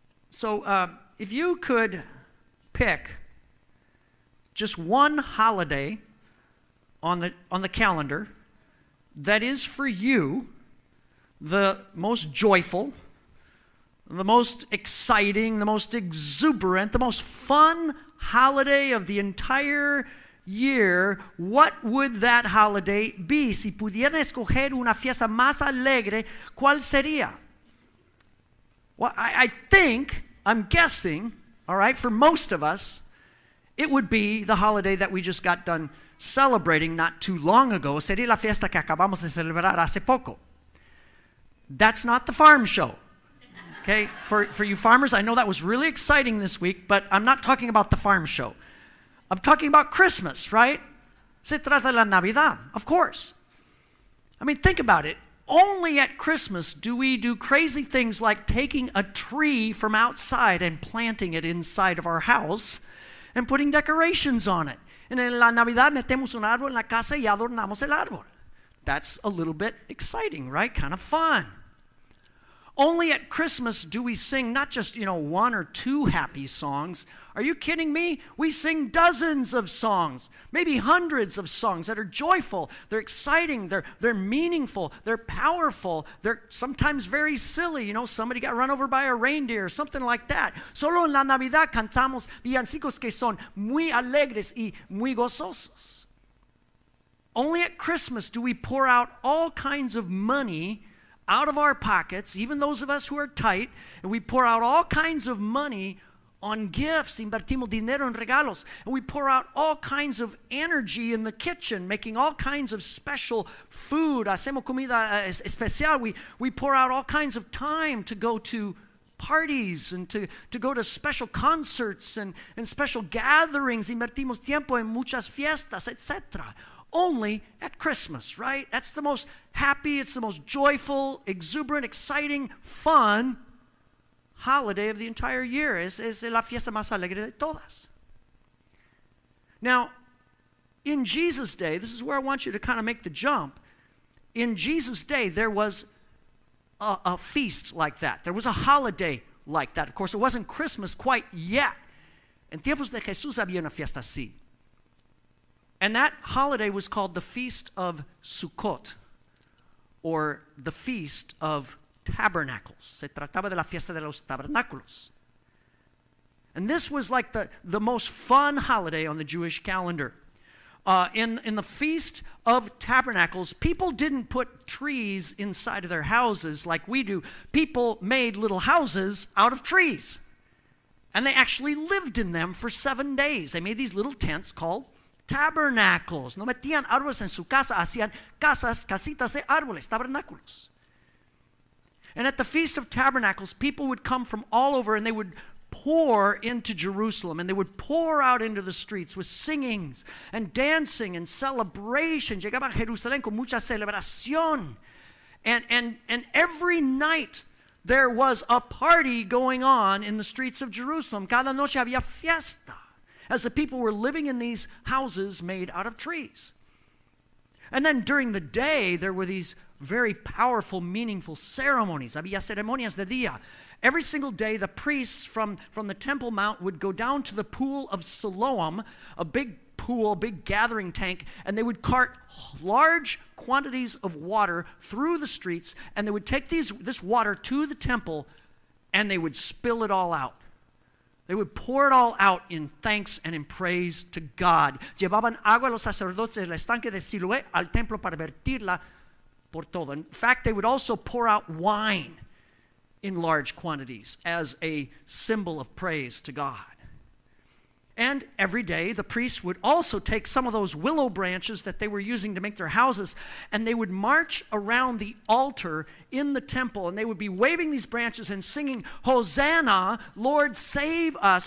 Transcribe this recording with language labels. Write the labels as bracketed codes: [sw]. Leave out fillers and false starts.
[en] So if you could pick just one holiday on the calendar that is for you the most joyful, the most exciting, the most exuberant, the most fun holiday of the entire year, what would that holiday be? [es] Si pudieran escoger una fiesta más alegre, ¿cuál sería? [en] Well, I'm guessing, all right, for most of us, it would be the holiday that we just got done celebrating not too long ago. [es] Sería la fiesta que acabamos de celebrar hace poco. [en] That's not the farm show. Okay, for you farmers, I know that was really exciting this week, but I'm not talking about the farm show. I'm talking about Christmas, right? [es] Se trata de la Navidad, [en] of course. I mean, think about it. Only at Christmas do we do crazy things like taking a tree from outside and planting it inside of our house and putting decorations on it. [es] And en la Navidad metemos un árbol en la casa y adornamos el árbol. [en] That's a little bit exciting, right? Kind of fun. Only at Christmas do we sing not just, you know, one or two happy songs. Are you kidding me? We sing dozens of songs, maybe hundreds of songs that are joyful, they're exciting, they're meaningful, they're powerful, they're sometimes very silly. You know, somebody got run over by a reindeer, something like that. [es] Solo en la Navidad cantamos villancicos que son muy alegres y muy gozosos. [en] Only at Christmas do we pour out all kinds of money out of our pockets, even those of us who are tight, and we pour out all kinds of money on gifts, [es] invertimos dinero en regalos, [en] and we pour out all kinds of energy in the kitchen, making all kinds of special food, [es] hacemos comida especial, [en] we pour out all kinds of time to go to parties and to go to special concerts and special gatherings, [es] invertimos tiempo en muchas fiestas, [en] etc. Only at Christmas, right? That's the most happy, it's the most joyful, exuberant, exciting, fun holiday of the entire year. [es] Es la fiesta más alegre de todas. [en] Now, in Jesus' day, this is where I want you to kind of make the jump. In Jesus' day, there was a feast like that. There was a holiday like that. Of course, it wasn't Christmas quite yet. [es] En tiempos de Jesús había una fiesta así. [en] And that holiday was called the Feast of Sukkot, or the Feast of Tabernacles. [es] Se trataba de la fiesta de los tabernáculos. [en] And this was like the most fun holiday on the Jewish calendar. In the Feast of Tabernacles, people didn't put trees inside of their houses like we do. People made little houses out of trees. And they actually lived in them for 7 days. They made these little tents called tabernacles. [es] No metían árboles en su casa, hacían casas, casitas de árboles, tabernáculos. [en] And at the Feast of Tabernacles, people would come from all over and they would pour into Jerusalem and they would pour out into the streets with singings and dancing and celebration. [es] Llegaba a Jerusalén con mucha celebración. [en] And every night there was a party going on in the streets of Jerusalem. [es] Cada noche había fiesta [en] as the people were living in these houses made out of trees. And then during the day, there were these very powerful, meaningful ceremonies. [es] Había ceremonias de día. [en] Every single day, the priests from the Temple Mount would go down to the Pool of Siloam, a big pool, a big gathering tank, and they would cart large quantities of water through the streets, and they would take this water to the temple, and they would spill it all out. They would pour it all out in thanks and in praise to God. [es] Llevaban agua los sacerdotes del estanque de Siloé al templo para vertirla por todo. [en] In fact, they would also pour out wine in large quantities as a symbol of praise to God. And every day, the priests would also take some of those willow branches that they were using to make their houses, and they would march around the altar in the temple, and they would be waving these branches and singing, Hosanna, Lord, save us.